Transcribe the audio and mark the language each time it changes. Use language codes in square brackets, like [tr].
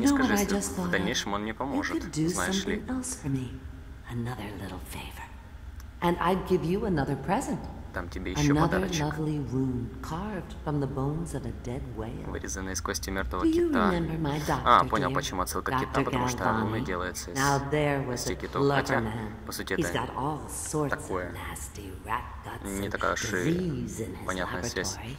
[ru] не скажи, если в дальнейшем он мне поможет, знаешь ли. [en] Another little favor, and I'd give you another present. [ru] Там тебе еще [en] another [ru] подарочек. [en] Another lovely rune carved from the bones of a dead whale. [ru] Вырезанная из кости мертвого кита. А, понял, почему отсылка к кита, потому что руны делаются из кита. Хотя, по сути, это такое. Не такая уж и понятная связь.